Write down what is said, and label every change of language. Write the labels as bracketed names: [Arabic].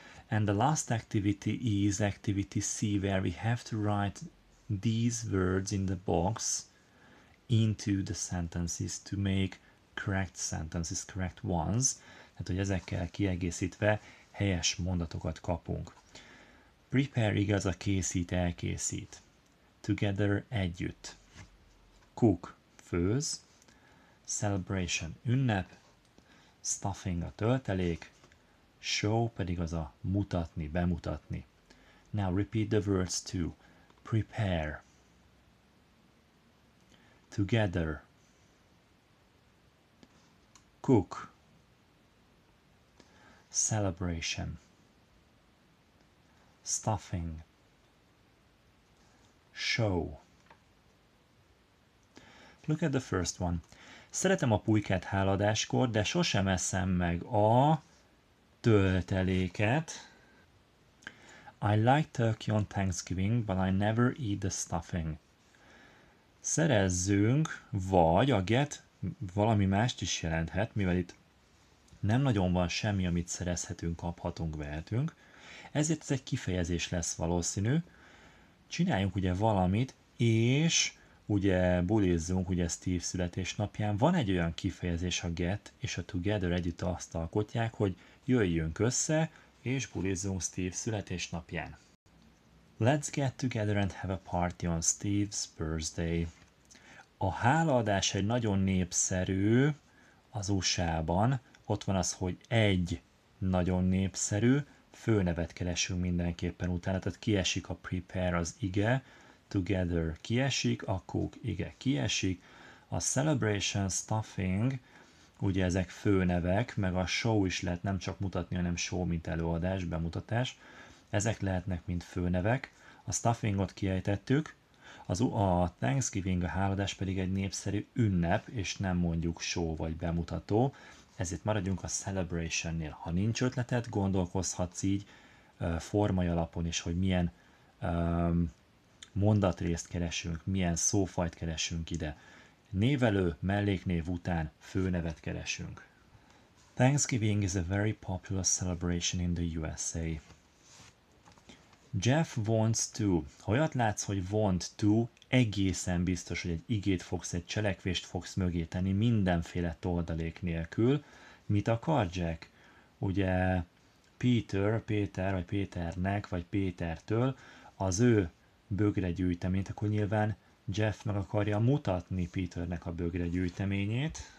[English] And the last activity is activity C, where we have to write these words in the box into the sentences to make correct sentences, correct ones. [Hungarian] Tehát, hogy ezekkel kiegészítve helyes mondatokat kapunk. Prepare igaz a készít, elkészít. Together együtt. Cook főz. Celebration ünnep. Stuffing a töltelék. Show pedig az a mutatni, bemutatni. [English] Now repeat the words to prepare. Together. Cook. Celebration. Stuffing. Show. Look at the first one. [Hungarian] Szeretem a pulykát háladáskor, de sosem eszem meg a tölteléket. [English] I like turkey on Thanksgiving, but I never eat the stuffing. [Hungarian] Szerezzünk, vagy a get valami mást is jelenthet, mivel itt nem nagyon van semmi, amit szerezhetünk, kaphatunk, vehetünk. Ezért ez egy kifejezés lesz valószínű. Csináljunk ugye valamit, és ugye bulizzunk, ugye Steve születésnapján. Van egy olyan kifejezés, a get és a together együtt azt alkotják, hogy jöjjünk össze, és bulizzunk Steve születésnapján. [English] Let's get together and have a party on Steve's birthday. [Hungarian] A hálaadás egy nagyon népszerű az USA-ban. Ott van az, hogy egy nagyon népszerű, főnevet keresünk mindenképpen utána, tehát kiesik a prepare, az ige, together kiesik, a cook, ige, kiesik, a celebration, stuffing, ugye ezek főnevek, meg a show is lehet nem csak mutatni, hanem show, mint előadás, bemutatás, ezek lehetnek mint főnevek, a stuffingot kiejtettük, a Thanksgiving, a hálaadás pedig egy népszerű ünnep, és nem mondjuk show vagy bemutató, ezért maradjunk a celebrationnél. Ha nincs ötleted, gondolkozhatsz így formai alapon is, hogy milyen mondatrészt keresünk, milyen szófajt keresünk ide. Névelő, melléknév után főnevet keresünk. [English] Thanksgiving is a very popular celebration in the USA. Jeff wants to. [Hungarian] Ha olyat látsz, hogy want to, egészen biztos, hogy egy igét fogsz, egy cselekvést fogsz mögé tenni mindenféle toldalék nélkül. Mit akar Jack? Ugye Pétertől az ő bögre gyűjteményt, akkor nyilván Jeff meg akarja mutatni Peternek a bögre gyűjteményét.